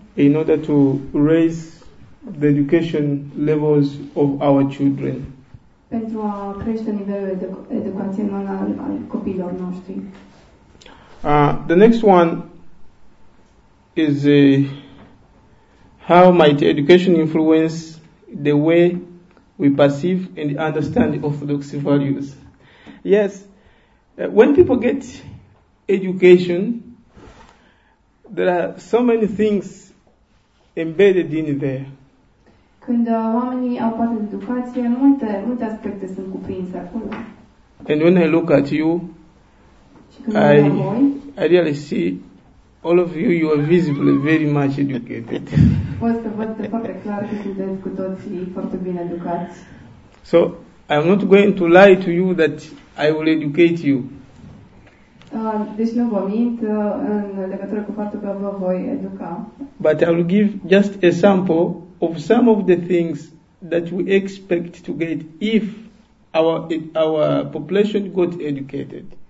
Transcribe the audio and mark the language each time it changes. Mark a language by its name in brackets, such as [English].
[English] In order to raise the education levels of our children. [Romanian] Pentru a crește nivelul educațional al copiilor noștri. [English] The next one is how might education influence the way we perceive and understand Orthodox values. Yes. When people get education, there are so many things embedded in there. [Romanian] Când oamenii au parte de educație, multe aspecte sunt cuprinse acolo. [English] And when I look at you, I really see all of you, you are visibly very much educated. [Romanian] Pot să văd de foarte clar că sunteți cu toții foarte bine educați. [English] So, I'm not going to lie to you that I will educate you. [Romanian] Deci nu vă mint în legătură cu faptul că vă voi educa. [English] But I will give just a sample of some of the things that we expect to get if our population got educated.